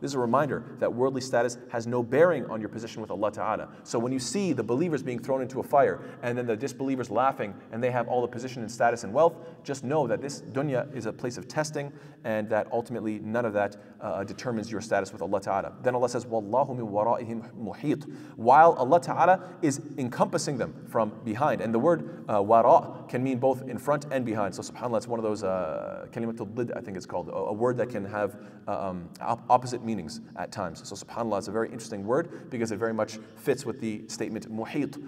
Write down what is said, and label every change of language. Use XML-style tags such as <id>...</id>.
<en>This is a reminder that worldly status has no bearing on your position with Allah Ta'ala. So when you see the believers being thrown into a fire and then the disbelievers laughing and they have all the position and status and wealth, just know that this dunya is a place of testing and that ultimately none of that determines your status with Allah Ta'ala. Then Allah says,</en> <ar>وَاللَّهُ مِن وَرَائِهِمْ مُحِيطٌ.</ar> <en>While Allah Ta'ala is encompassing them from behind. And the word wara can mean both in front and behind. So SubhanAllah, it's one of those kalimatul dhid, I think it's called, a word that can have opposite meanings at times. So SubhanAllah is a very interesting word because it very much fits with the statement muhit.</en>